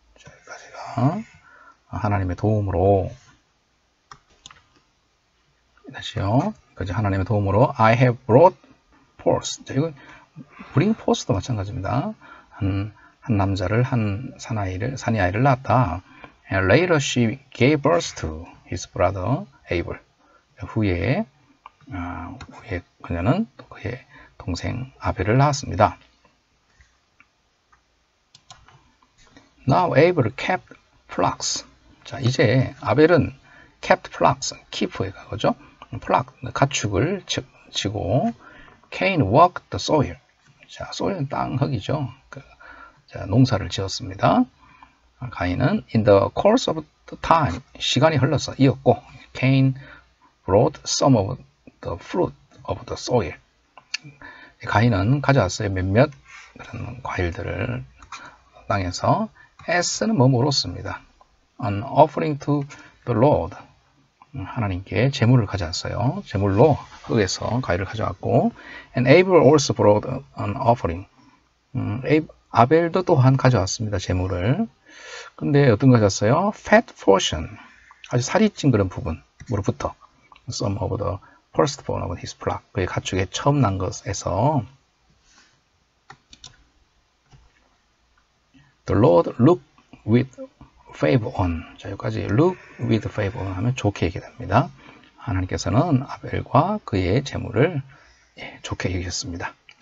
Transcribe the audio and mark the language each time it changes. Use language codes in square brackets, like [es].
[ko] 여기까지가 하나님의 도움으로. 다시요. 그죠? 하나님의 도움으로. [en] I have brought forth. [ko] 자, 이거, bring forth도 마찬가지입니다. 한 남자를, 한 사나이를, 사니아이를 낳았다. [en] And later she gave birth to his brother Abel. [ko] 후에, 후에 그녀는 또 그의 동생 아벨을 낳았습니다. [en] Now Abel kept flocks. [ko] 자, 이제 아벨은 [en] kept flocks, keep에 가죠. flock, [ko] 가축을 치고, [en] Cain walked the soil. [ko] 자, soil은 땅 흙이죠. 자, 농사를 지었습니다. [en] 가인은 in the course of the time, [ko] 시간이 흘러서 이었고, [en] Cain brought some of the fruit of the soil. [ko] 가인은 가져왔어요. 몇몇 그런 과일들을 땅에서 as는 뭐뭐로습니다. [en] An offering to the Lord. [ko] 하나님께 제물을 가져왔어요. 제물로 흙에서 과일을 가져왔고, [en] and Abel also brought an offering. [ko] 아벨도 또한 가져왔습니다. 제물을. 근데 어떤 거 가져왔어요? [en] Fat portion. [ko] 아주 살이 찐 그런 부분으로부터. [en] Some of the first born of his flock. [ko] 그의 가축에 처음 난 것에서. [en] The Lord look with favor on. 자, 여기까지 look with favor on [ko] 하면 좋게 얘기됩니다. 하나님께서는 아벨과 그의 제물을 좋게 여기셨습니다.